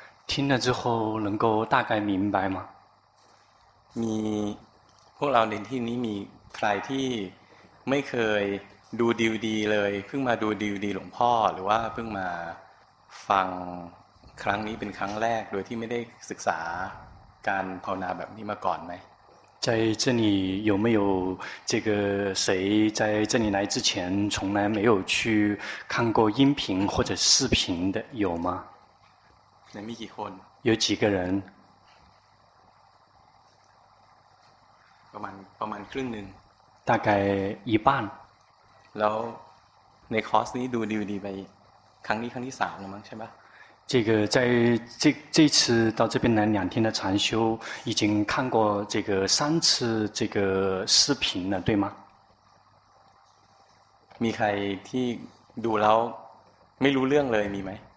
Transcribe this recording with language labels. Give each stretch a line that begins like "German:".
Chinese: 听了之后能够大概明白吗
Thai: มีพวกเราในที่นี้มีใครที่ไม่เคยดูดีดีเลยเพิ่งมาดูดีดีหลวงพ่อหรือว่าเพิ่งมาฟังครั้งนี้เป็นครั้งแรกโดยที่ไม่ได้ศึกษาการภาวนาแบบนี้มาก่อนไหม
Chinese: 在这里有没有这个谁在这里来之前从来没有去看过音频或者视频的有吗？没几
Thai: คน
Chinese: 有几个人？
Thai: ประมาณครึ่งนึง
Chinese: 大概一半。
Thai: แล้วในคอร์สนี้ดูดีดีไปครั้งที่สามแล้วมั้งใช่ปะ
Chinese: 这个在这次到这边来两天的禅修，已经看过这个三次这个视频了，对吗？
Thai: มีใครที่ดูแล้วไม่รู้เรื่องเลยมีไหม？